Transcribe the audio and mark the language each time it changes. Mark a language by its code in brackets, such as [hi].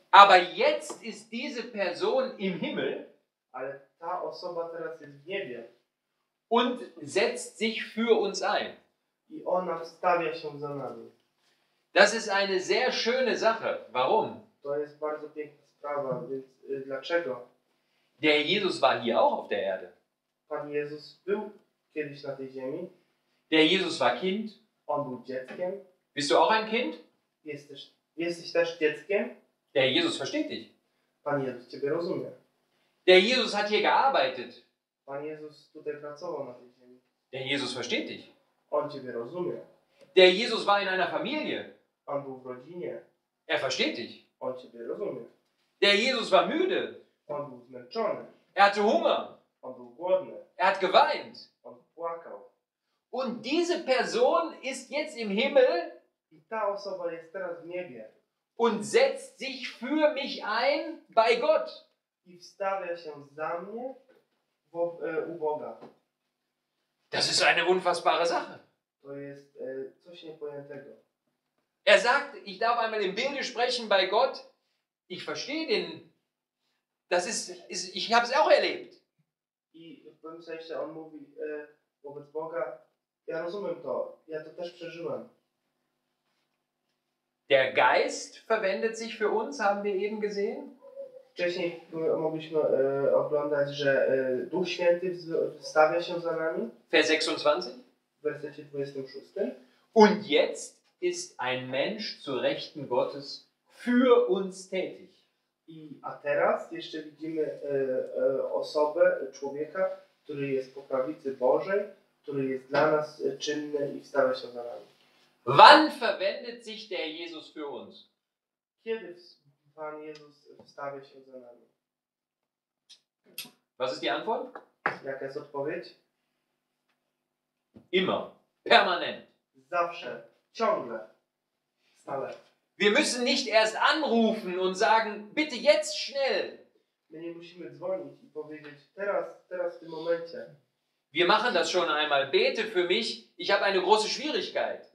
[de] Aber jetzt ist diese Person im Himmel. [pl] Ale ta osoba teraz jest w niebie. [de] Und setzt sich für uns ein. [pl] I ona stawia się za nami. [de] Das ist eine sehr schöne Sache. Warum? [pl] To jest bardzo piękna sprawa. Więc dlaczego? [de] Der Jesus war hier auch auf der Erde. [pl] Pan Jezus był kiedyś na tej ziemi. [de] Der Jesus war Kind. [pl] On był dzieckiem. [de] Bist du auch ein Kind? [pl] Jesteś też dzieckiem? [de] Der Jesus versteht dich. [pl] Pan Jezus ciebie rozumie. [de] Der Jesus hat hier gearbeitet. [pl] Pan Jezus tutaj pracował na tej ziemi. [de] Der Jesus versteht dich. [pl] On ciebie rozumie. [de] Der Jesus war in einer Familie. [pl] On był w rodzinie. [de] Er versteht dich. [pl] On ciebie rozumie. [de] Der Jesus war müde. [pl] On był zmęczony. [de] Er hatte Hunger. [pl] On był głodny. [de] Er hat geweint. [pl] On płakał. [de] Und diese Person ist jetzt im Himmel. [pl] I ta osoba jest teraz w niebie. [de] Und setzt sich für mich ein bei Gott. [pl] I wstawia się za mnie u Boga. [de] Das ist eine unfassbare Sache. [pl] To jest coś niepojętego. [de] Er sagt, ich darf einmal im Bilde sprechen bei Gott. Ich verstehe den. Das ist ich habe es auch erlebt. [pl] I w pewnym sensie on mówi wobec Boga. Ja rozumiem to. Ja to też przeżyłem. [de] Der Geist verwendet sich für uns, haben wir eben gesehen. [pl] Wcześniej mogliśmy oglądać, że Duch Święty stawia się za nami. [de] Vers 26. [pl] Wersecie 26. [de] Und jetzt ist ein Mensch zu Rechten Gottes für uns tätig. [pl] I, a teraz jeszcze widzimy osobę, człowieka, który jest po prawicy Bożej, który jest dla nas czynny i stawia się za nami. [de] Wann verwendet sich der Jesus für uns? [pl] Kiedy Pan Jezus wstawia się za nami? [de] Was ist die Antwort? [pl] Jaka jest odpowiedź? [de] Immer. Permanent. [pl] Zawsze. Ciągle. Stale. [de] Wir müssen nicht erst anrufen und sagen, bitte jetzt schnell. [pl] My nie musimy dzwonić i powiedzieć, teraz w tym momencie. [de] Wir machen das schon einmal. Bete für mich, ich habe eine große Schwierigkeit.